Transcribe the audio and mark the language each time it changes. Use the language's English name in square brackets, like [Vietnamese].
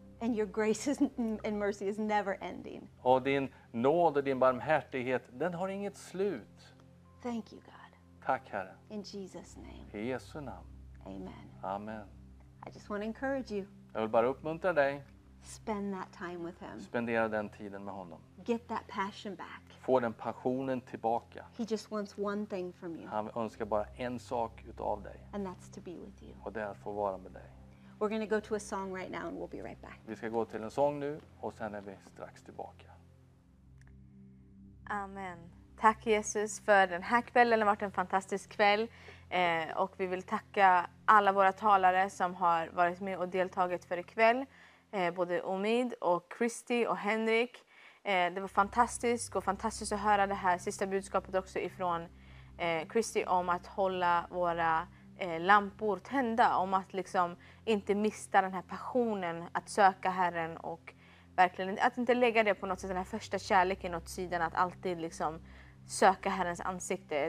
[English] And your grace and mercy is never ending. [Swedish] Och din nåd och din barmhärtighet, den har inget slut. [English] Thank you, God. [Swedish] Tack, Herre. [English] In Jesus name. [Swedish] I Jesu namn. [English] Amen. [Swedish] Amen. [English] I just want to encourage you. [Swedish] Jag vill bara uppmuntra dig. [English] Spend that time with him. [Swedish] Spendera den tiden med honom. [English] Get that passion back. [Swedish] Få den passionen tillbaka. [English] He just wants one thing from you. [Swedish] Han önskar bara en sak utav dig. [English] And that's to be with you. [Swedish] Och det är att få vara med dig. [English] We're going to go to a song right now and we'll be right back. [Swedish] Vi ska gå till en sång nu och sen är vi strax tillbaka. Amen. Tack Jesus för den här kvällen. Det har varit en fantastisk kväll. Och vi vill tacka alla våra talare som har varit med och deltagit för ikväll. Både Omid och Christy och Henrik. Det var fantastiskt och fantastiskt att höra det här sista budskapet också ifrån Christy om att hålla våra lampor tända, om att liksom inte mista den här passionen att söka Herren och verkligen att inte lägga det på något sätt, den här första kärleken åt sidan, att alltid liksom söka Herrens ansikte.